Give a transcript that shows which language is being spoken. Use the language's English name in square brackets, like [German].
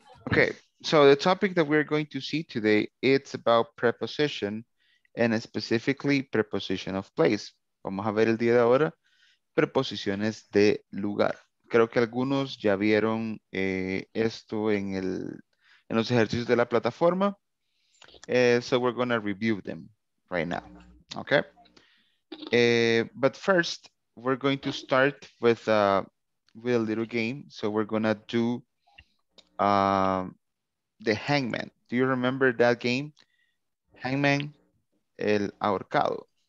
[English] Okay, so the topic that we're going to see today, it's about preposition and specifically preposition of place. [Spanish] Vamos a ver el día de ahora, preposiciones de lugar. Creo que algunos ya vieron esto en el en los ejercicios de la plataforma. [English] So we're going to review them right now, okay? But first, we're going to start with a little game. So we're going to do the hangman. Do you remember that game? Hangman, [Spanish] el ahorcado.